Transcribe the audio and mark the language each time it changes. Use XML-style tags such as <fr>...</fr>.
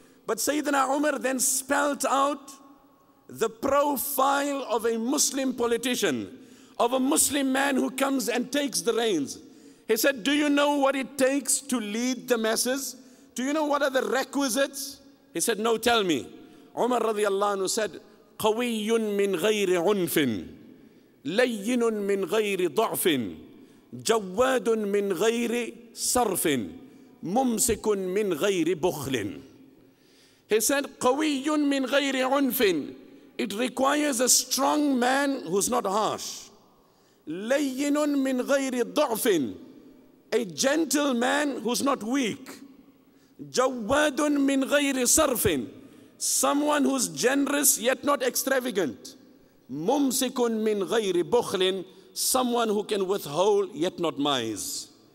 <en>But Sayyidina Umar then spelt out the profile of a Muslim politician, of a Muslim man who comes and takes the reins. He said, do you know what it takes to lead the masses? Do you know what are the requisites? He said, no, tell me. Umar radiallahu anhu said,</en> <ar>قَوِيٌّ مِنْ غَيْرِ عُنْفٍ لَيِّنٌ مِنْ غَيْرِ ضَعْفٍ جَوَّادٌ مِنْ غَيْرِ صَرْفٍ مُمْسِكٌ مِنْ غَيْرِ بُخْلٍ</ar> <en>He said,</en> <ar>قَوِيٌّ مِنْ غَيْرِ عُنْفٍ</ar> <en>It requires a strong man who's not harsh.</en> <ar>لَيِّنٌ مِنْ غَيْرِ ضَعْفٍ</ar> <en>A gentle man who's not weak.</en> <ar>جَوَّادٌ مِنْ غَيْرِ صَرْفٍ</ar> <en>Someone who's generous yet not extravagant.</en> <ar>مُمْسِكٌ مِنْ غَيْرِ بُخْلٍ</ar> <en>Someone who can withhold yet not mise.</en>